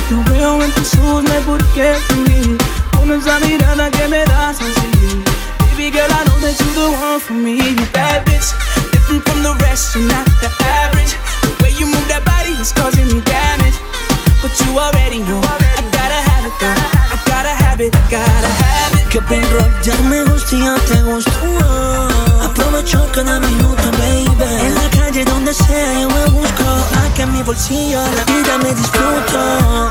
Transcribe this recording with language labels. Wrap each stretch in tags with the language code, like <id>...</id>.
<es>Yo veo en tus ojos, no hay por qué fingir. con esa mirada que me das así.</es> <en>Baby girl, I know that you're the one for me. You bad bitch, different from the rest, you're not the average. The way you move that body is causing me damage. But you already know, I gotta have it girl. I gotta have it, gotta have it.</en> <es>Que bien rock, ya me gusta y ya te gusto. Aprovecho cada minuto, baby. En la calle, donde sea, yo me busco. Aquí en mi bolsillo, la vida me disfruto.</es>